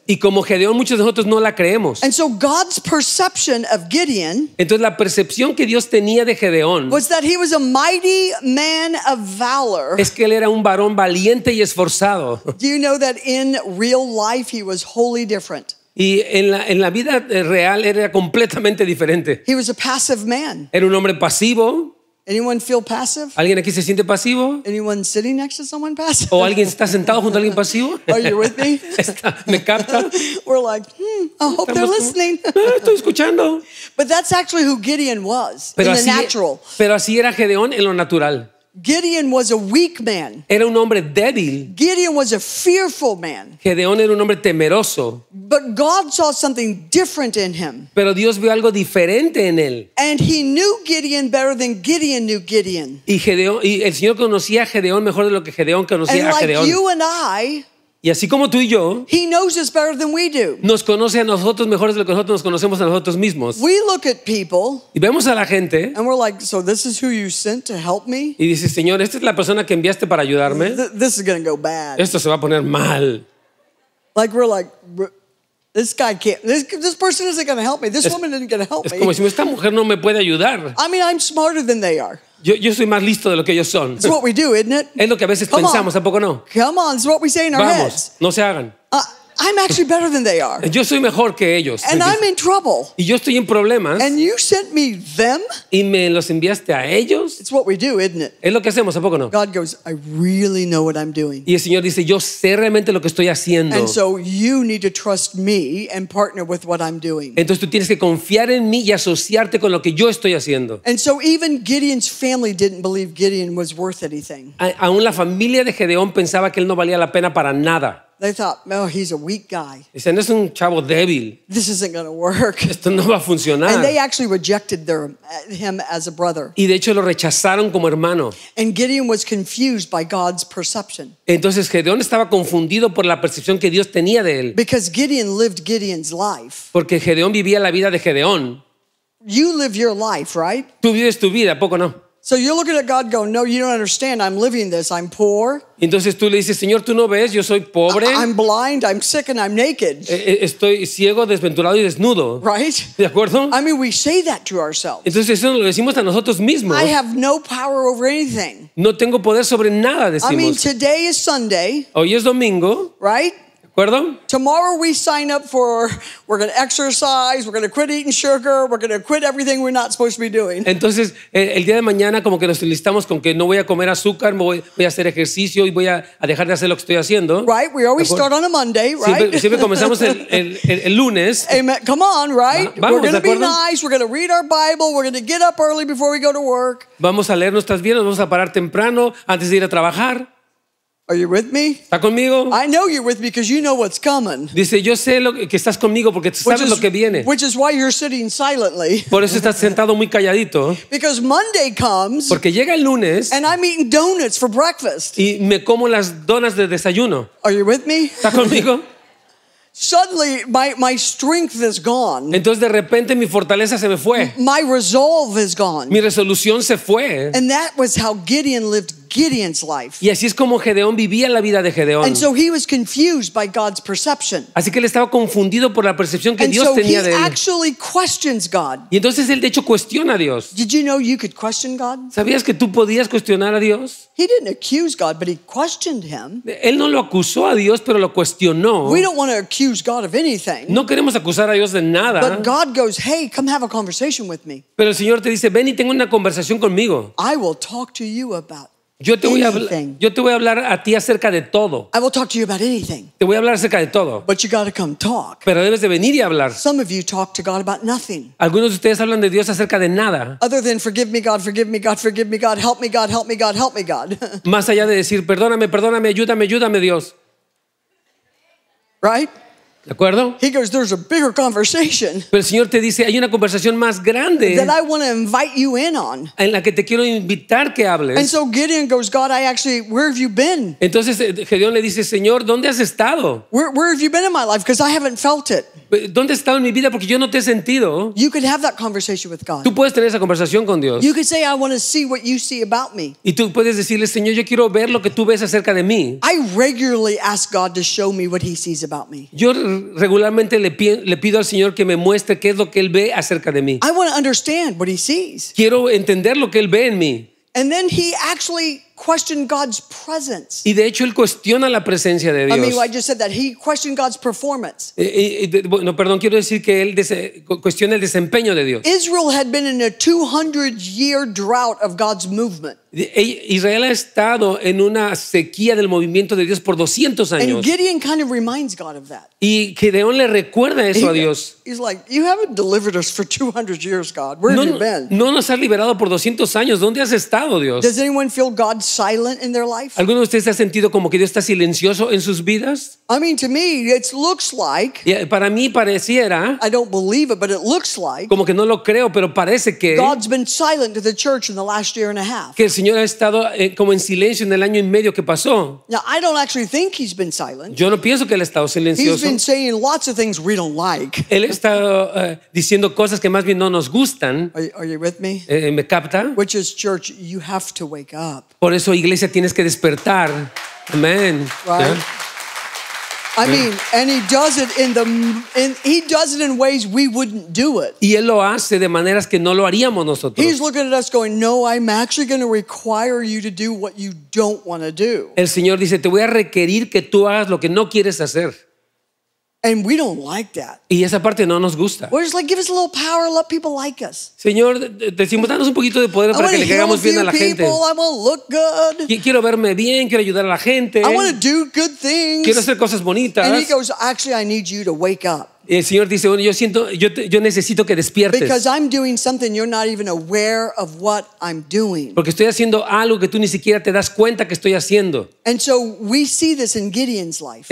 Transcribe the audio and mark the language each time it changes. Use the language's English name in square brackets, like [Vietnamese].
[Spanish] Y como Gedeón, muchos de nosotros no la creemos. [English] And so God's perception of Gideon. [Spanish] Entonces la percepción que Dios tenía de Gedeón [English] was that he was a mighty man of valor. [Spanish] Es que él era un varón valiente y esforzado. [English] Do you know that in real life he was wholly different? [Spanish] Y en la vida real era completamente diferente. [English] He was a passive man. [Spanish] Era un hombre pasivo. [English] Anyone feel passive? [Spanish] ¿Alguien aquí se siente pasivo? [English] Anyone sitting next to someone passive? [Spanish] ¿O alguien está sentado junto a alguien pasivo? [English] Are you with me? [Spanish] ¿Me captan? [English] We're like, I hope they're listening. [Spanish] Estoy escuchando. [English] But that's actually who Gideon was [Spanish] pero [English] in the natural. [Spanish] Pero así era Gedeón en lo natural. [English] Gideon was a weak man. [Spanish] Era un hombre débil. [English] Gideon was a fearful man. [Spanish] Gedeón era un hombre temeroso. [English] But God saw something different in him. [Spanish] Pero Dios vio algo diferente en él. [English] And he knew Gideon better than Gideon knew Gideon. [Spanish] Y el Señor conocía a Gedeón mejor de lo que Gedeón conocía a Gedeón. [English] And like you and I, [Spanish] y así como tú y yo, [English] he knows us better than we do. [Spanish] Nos conoce a nosotros mejor de lo que nosotros nos conocemos a nosotros mismos. [English] We look at people, [Spanish] y vemos a la gente, [English] and we're like, so this is who you sent to help me? [Spanish] Y dices, Señor, esta es la persona que enviaste para ayudarme. [English] This is gonna go bad. [Spanish] Esto se va a poner mal. [English] Like we're like, this guy can't. This person isn't gonna help me. This woman isn't gonna help me. [Spanish] Es como si esta mujer no me puede ayudar. [English] I mean, I'm smarter than they are. [Spanish] Yo soy más listo de lo que ellos son. [English] It's what we do, isn't it? [Spanish] Es lo que a veces come pensamos, [English] on. [Spanish] ¿A poco no? [English] Come on, it's what we say in our [Spanish] vamos, [English] heads. [Spanish] No se hagan. [English] I'm actually better than they are. [Spanish] Yo soy mejor que ellos. [English] And I'm in trouble. [Spanish] Y yo estoy en problemas. [English] And you sent me them? [Spanish] Y me los enviaste a ellos. [English] It's what we do, isn't it? [Spanish] Es lo que hacemos, ¿a poco no? [English] God goes, I really know what I'm doing. [Spanish] Y el Señor dice, yo sé realmente lo que estoy haciendo. [English] And so you need to trust me and partner with what I'm doing. [Spanish] Entonces tú tienes que confiar en mí y asociarte con lo que yo estoy haciendo. [English] And so even Gideon's family didn't believe Gideon was worth anything. [Spanish] Aún la familia de Gedeón pensaba que él no valía la pena para nada. [English] They thought, no, oh, he's a weak guy. [Spanish] Dicen, es un chavo débil. [English] This isn't going to work. [Spanish] Esto no va a funcionar. [English] And they actually rejected him as a brother. [Spanish] Y de hecho lo rechazaron como hermano. [English] And Gideon was confused by God's perception. [Spanish] Entonces Gedeón estaba confundido por la percepción que Dios tenía de él. [English] Because Gideon lived Gideon's life. [Spanish] Porque Gedeón vivía la vida de Gedeón. [English] You live your life, right? [Spanish] Tú vives tu vida, ¿a poco no? [English] So you're looking at God going, no, you don't understand. I'm living this. I'm poor. [Spanish] Entonces tú le dices, Señor, tú no ves, yo soy pobre. [English] I'm blind, I'm sick, and I'm naked. [Spanish] Estoy ciego, desventurado y desnudo. [English] Right? [Spanish] ¿De acuerdo? [English] I mean, we say that to ourselves. [Spanish] Entonces eso lo decimos a nosotros mismos. [English] I have no power over anything. [Spanish] No tengo poder sobre nada, decimos. [English] I mean, today is Sunday. [Spanish] Hoy es domingo. [English] Right? [Spanish] ¿Acuerdo? [English] Tomorrow we sign up for, we're going to exercise, we're going to quit eating sugar, we're going to quit everything we're not supposed to be doing. [Spanish] Entonces, el día de mañana como que nos listamos con que no voy a comer azúcar, voy a hacer ejercicio y voy a dejar de hacer lo que estoy haciendo. [English] Right, we always start on a Monday, right? [Spanish] Siempre comenzamos el lunes. [English] Amen. Come on, right? [Spanish] Vamos, [English] we're going to be nice, we're going to read our Bible, we're going to get up early before we go to work. [Spanish] Vamos a leer nuestras Biblias, vamos a parar temprano antes de ir a trabajar. [English] Are you with me? [Spanish] ¿Está conmigo? [English] I know you're with me because you know what's coming. [Spanish] Dice, yo sé que estás conmigo porque sabes lo que viene. [English] Which is why you're sitting silently. [Spanish] Por eso estás sentado muy calladito. [English] Because Monday comes. [Spanish] Porque llega el lunes. [English] And I'm eating donuts for breakfast. [Spanish] Y me como las donas de desayuno. [English] Are you with me? [Spanish] ¿Está conmigo? [English] Suddenly, my strength is gone. [Spanish] Entonces, de repente, mi fortaleza se me fue. [English] My resolve is gone. [Spanish] Mi resolución se fue. [English] And that was how Gideon lived Gideon's life. [Spanish] Y así es como Gedeón vivía la vida de Gedeón. [English] And so he was confused by God's perception. [Spanish] Así que él estaba confundido por la percepción que [English] and [Spanish] Dios [English] so [Spanish] tenía de él. [English] And so he actually questions God. [Spanish] Y entonces él de hecho cuestiona a Dios. [English] Did you know you could question God? [Spanish] ¿Sabías que tú podías cuestionar a Dios? [English] He didn't accuse God, but he questioned him. [Spanish] Él no lo acusó a Dios, pero lo cuestionó. [English] We don't want to accuse God of anything. [Spanish] No queremos acusar a Dios de nada. [English] But God goes, "Hey, come have a conversation with me." [Spanish] Pero el Señor te dice, "Ven y ten una conversación conmigo." [English] I will talk to you about [Spanish] Yo te voy a hablar a ti acerca de todo. [English] I will talk to you about anything. [Spanish] Te voy a hablar acerca de todo. [English] But you got to come talk. [Spanish] Pero debes de venir y hablar. [English] Some of you talk to God about nothing. [Spanish] Algunos de ustedes hablan de Dios acerca de nada. [English] Other than forgive me, God, forgive me, God, forgive me, God, help me, God, help me, God, help me, God. [Spanish] Más allá de decir perdóname, perdóname, ayúdame, ayúdame, Dios. [English] Right? [Spanish] ¿De acuerdo? [English] He goes, there's a bigger conversation. [Spanish] Pero el Señor te dice, hay una conversación más grande [English] that I want to invite you in on. [Spanish] En la que te quiero invitar que hables. [English] And so Gideon goes, God, I actually, where have you been? [Spanish] Entonces Gedeón le dice, Señor, ¿dónde has estado? [English] Where have you been in my life? Because I haven't felt it. [Spanish] ¿Dónde has estado en mi vida? Porque yo no te he sentido. [English] You could have that conversation with God. [Spanish] Tú puedes tener esa conversación con Dios. [English] You could say, I want to see what you see about me. [Spanish] Y tú puedes decirle, Señor, yo quiero ver lo que tú ves acerca de mí. [English] I regularly ask God to show me what he sees about me. [Spanish] Yo regularmente le pido al Señor que me muestre qué es lo que él ve acerca de mí. [English] I want to understand what he sees. [Spanish] Quiero entender lo que él ve en mí. [English] And then he actually questioned God's presence. [Spanish] Y de hecho él cuestiona la presencia de Dios. [English] I mean, I just said that he questioned God's performance. [Spanish] No, perdón, quiero decir que él cuestiona el desempeño de Dios. [English] Israel had been in a 200-year drought of God's movement. [Spanish] Israel ha estado en una sequía del movimiento de Dios por 200 años. [English] And Gideon kind of reminds God of that. [Spanish] Y Gedeón le recuerda eso a Dios. [English] He's like, you haven't delivered us for 200 years, God. Where have you been? [Spanish] No nos has liberado por 200 años. ¿Dónde has estado, Dios? [English] Does anyone feel God silent in their life? [Spanish] ¿Alguno de ustedes se ha sentido como que Dios está silencioso en sus vidas? [English] I mean, to me, it looks like. [Spanish] Yeah, para mí pareciera. [English] I don't believe it, but it looks like. [Spanish] Como que no lo creo, pero parece que. [English] God's been silent to the church in the last year and a half. [Spanish] Que el Señor ha estado como en silencio en el año y medio que pasó. [English] Now, I don't actually think he's been silent. [Spanish] Yo no pienso que él ha estado silencioso. [English] He's been saying lots of things we don't like. [Spanish] Él ha estado diciendo cosas que más bien no nos gustan. [English] Are you with me? [Spanish] ¿Me capta? [English] Which is church, you have to wake up. [Spanish] Por eso, iglesia, tienes que despertar. Amen. [English] Right? Yeah. I mean, and he does it in ways we wouldn't do it. [Spanish] Y él lo hace de maneras que no lo haríamos nosotros. [English] He's looking at us going, no, I'm actually going to require you to do what you don't want to do. [Spanish] El Señor dice, te voy a requerir que tú hagas lo que no quieres hacer. [English] And we don't like that. [Spanish] Y esa parte no nos gusta. [English] We're just like, give us a little power, let people like us. [Spanish] Señor, decimos, danos un poquito de poder para que le caigamos bien a la gente. [English] I want to look good. [Spanish] Quiero verme bien, quiero ayudar a la gente. [English] I want to do good things. [Spanish] Quiero hacer cosas bonitas. [English] And he goes, actually, I need you to wake up. [Spanish] Y el Señor dice, bueno, yo necesito que despiertes. [English] Because I'm doing something you're not even aware of what I'm doing. [Spanish] Porque estoy haciendo algo que tú ni siquiera te das cuenta que estoy haciendo. [English] And so we see this in Gideon's life.